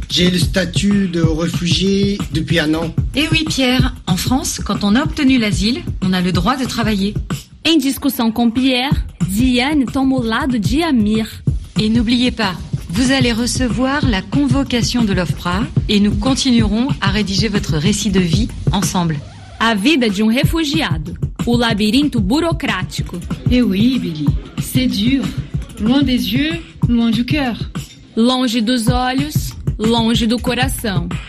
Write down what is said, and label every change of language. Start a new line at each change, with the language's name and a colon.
French: J'ai le statut de réfugié depuis un an. Eh oui, Pierre. En France, quand on a obtenu l'asile, on a le droit de travailler.
Portuguese: Em discussão com Pierre, Diane
French: tombe au
Portuguese: lado de Amir.
French: Et n'oubliez pas, vous allez recevoir la convocation de l'OFPRA et nous continuerons à rédiger votre récit de vie ensemble.
Portuguese: A vida de refugiado. O labirinto burocrático.
French: Eh oui, Billy. C'est dur. Loin des yeux, loin du cœur.
Portuguese: Longe dos olhos, longe do coração.